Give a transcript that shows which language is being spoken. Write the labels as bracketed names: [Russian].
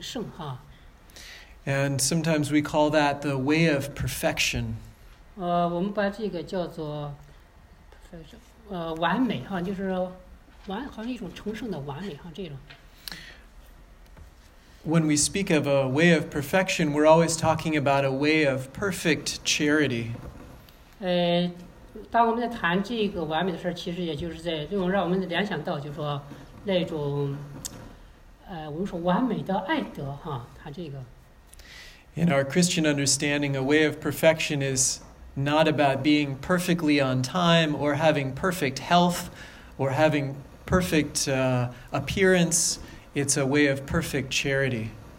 [Chinese] 同时呢，教会也在告诉我们怎样去做才能够做的，就说更神圣哈。 [English] And sometimes we call that the way of perfection. [Chinese] 我们把这个叫做。完美哈，就是完，好像一种成圣的完美哈，这种。 [English] When we speak of a way of perfection, we're always talking about a way of perfect charity. [Chinese] 当我们在谈这个完美的事儿，其实也就是在让我们联想到，就是说那种，我们说完美的爱德哈，它这个。 [English] In our Christian understanding, a way of perfection is. Not about being perfectly on time or having perfect health or having perfect appearance. It's a way of perfect charity.